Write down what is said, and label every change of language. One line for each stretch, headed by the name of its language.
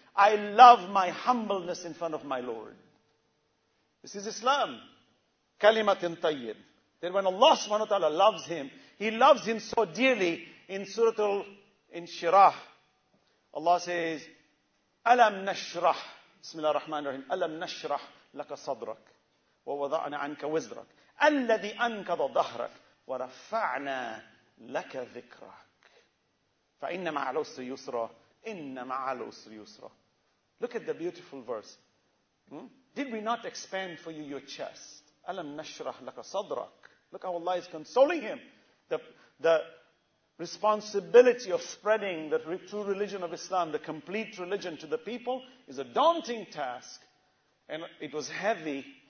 English: I love my humbleness in front of my Lord. This is Islam. Kalimatin tayyib. That when Allah subhanahu wa ta'ala loves him, he loves him so dearly in Surah Al-Inshirah. Allah says,
Arabic: Alam nashrah. Bismillah ar-Rahman ar-Rahim. Alam nashrah laka sadrak. Wa wada'na anka wizrak. الذي أنقض ظهرك ورفعنا لك ذكرك فإن مع العسر يسرا إن مع العسر يسرا.
English: Look at the beautiful verse. Did we not expand for you your chest?
Arabic: ألم نشرح لك صدرك.
English: Look how Allah is consoling him. The responsibility of spreading the true religion of Islam, the complete religion to the people, is a daunting task, and it was heavy.